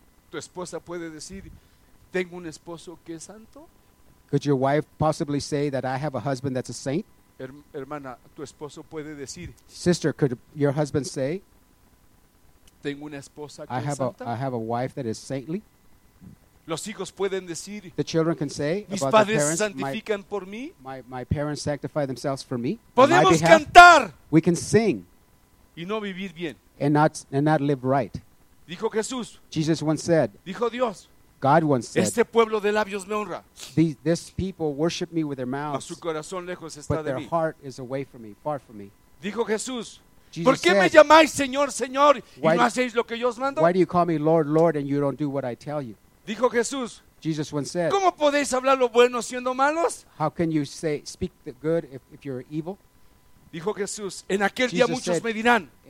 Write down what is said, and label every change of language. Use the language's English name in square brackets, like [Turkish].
[Spanish] ¿Tu esposa puede decir, tengo un esposo que es santo? [English] Could your wife possibly say that I have a husband that's a saint? [Spanish] Hermana, ¿tu esposo puede decir, [English] Sister, could your husband say, [Spanish] tengo una esposa que [English] I, [Spanish] es [English] have [Spanish] santa? [English] A, I have a wife that is saintly? [Spanish] Los hijos pueden decir, [English] the children can say, [Spanish] mis [English] about [Spanish] padres [English] their parents, [Spanish] santifican my, por mí. [English] My parents sanctify themselves for me. [Spanish] Podemos [English] on my behalf, [Spanish] cantar. [English] We can sing. [Spanish] Y no vivir bien. [English] And not live right. [Spanish] Dijo Jesús. [English] Jesus once said. [Spanish] Dijo Dios. [English] God once said. [Spanish] Este pueblo de labios me honra. [English] This people worship me with their mouths. [Spanish] Mas su corazón lejos está de [English] their [Spanish] mí. [English] Heart is away from me, far from me. [Spanish] Dijo Jesús. [English] Jesus [Spanish] ¿Por qué [English] said, [Spanish] me llamáis Señor, Señor y no hacéis lo que yo os mando? [English] Why do you call me Lord, Lord and you don't do what I tell you? [Spanish] Dijo Jesús. [English] Jesus once said. [Spanish] ¿Cómo podéis hablar lo bueno siendo malos? [English] How can you speak the good if you're evil? [Spanish] Dijo Jesús, en aquel día muchos me dirán.